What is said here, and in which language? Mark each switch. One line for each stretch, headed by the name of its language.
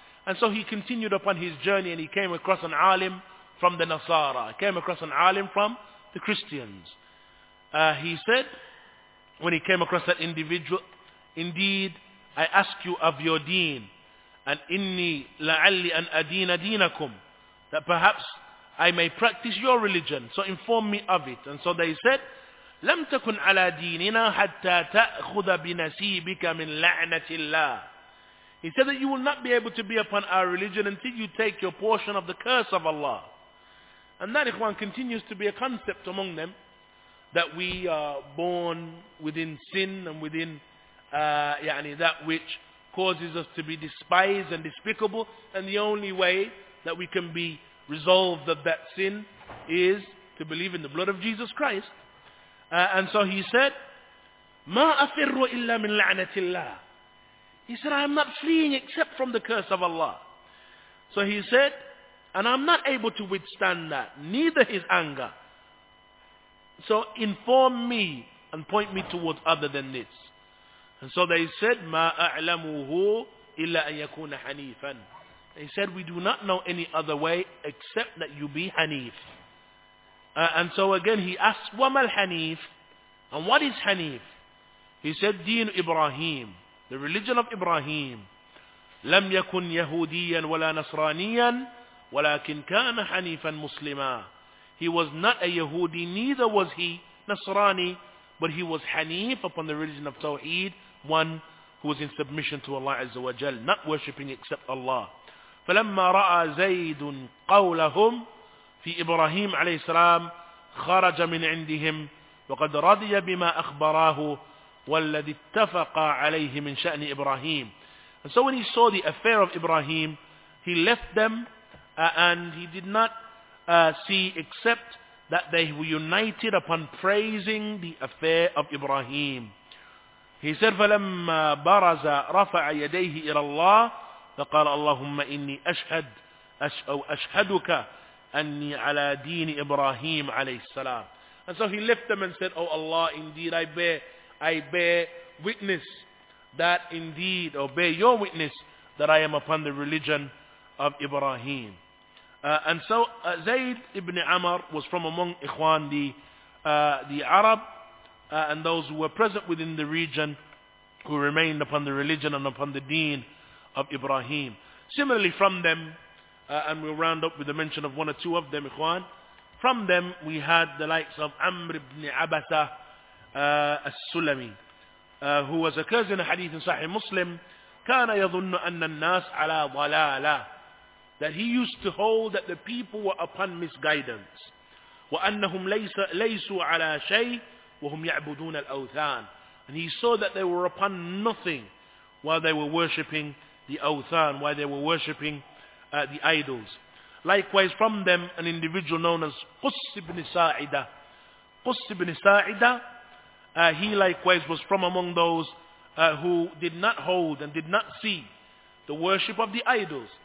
English: And so he continued upon his journey, and he came across an alim from the Nasara, came across an alim from the Christians. He said, when he came across that individual, indeed, I ask you of your deen, and
Arabic: inni la'alli an adina deenakum,
English: that perhaps I may practice your religion, so inform me of it.
Arabic: And so they said, لم تكن على ديننا حتى تأخذ بنسيبك من لعنة الله.
English: He said that you will not be able to be upon our religion until you take your portion of the curse of Allah. And that, ikhwan, continues to be a concept among them, that we are born within sin and within that which causes us to be despised and despicable, and the only way that we can be resolved of that sin is to believe in the blood of Jesus Christ.
Arabic: And so he said, مَا أَفِرُّ إِلَّا مِنْ لَعْنَةِ اللَّهِ.
English: He said, I am not fleeing except from the curse of Allah. So he said, and I'm not able to withstand that, neither his anger. So inform me and point me towards other than this.
Arabic: And so they said, مَا أَعْلَمُهُ إِلَّا أَن يَكُونَ حَنِيفًا.
English: They said, we do not know any other way except that you be Hanif. And so again he asked,
Arabic: وَمَا الْحَنِيفِ.
English: And what is Hanif? He said,
Arabic: دين إبراهيم,
English: the religion of Ibrahim.
Arabic: لَمْ يَكُنْ يَهُودِيًا وَلَا نَصْرَانِيًا وَلَكِنْ كَانَ حَنِيفًا مُسْلِمًا.
English: He was not a Yahudi, neither was he Nasrani, but he was Hanif upon the religion of Tawheed, one who was in submission to Allah Azza wa Jal, not worshipping except Allah.
Arabic: فَلَمَّا رَأَى زَيْدٌ قَوْلَهُمْ في إبراهيم عليه السلام خرج من عندهم وقد رضي بما أخبراه والذي اتفق عليه من شأن إبراهيم.
English: And so when he saw the affair of Ibrahim, he left them and he did not see except that they were united upon praising the affair of Ibrahim.
Arabic: He said, فلما برز رفع يديه إلى الله فقال اللهم إني أشهد أو أشهدك أني على دين إبراهيم عليه السلام.
English: And so he left them and said, oh Allah, indeed I bear witness that indeed, or bear your witness that I am upon the religion of Ibrahim. And so Zayd ibn Amr was from among Ikhwan the Arab and those who were present within the region who remained upon the religion and upon the deen of Ibrahim. Similarly from them, and we'll round up with the mention of one or two of them, Ikhwan. From them, we had the likes of Amr ibn Abasa al-Sulami, who was a cousin of Hadith in Sahih Muslim.
Arabic: كان يظن أن الناس على ضلالة.
English: That he used to hold that the people were upon misguidance.
Arabic: وأنهم ليسوا على شيء وهم يعبدون الأوثان.
English: And he saw that they were upon nothing while they were worshipping the Awthan, while they were worshipping the idols. Likewise from them, an individual known as Quss ibn Sa'idah. Quss ibn Sa'idah, he likewise was from among those who did not hold and did not see the worship of the idols.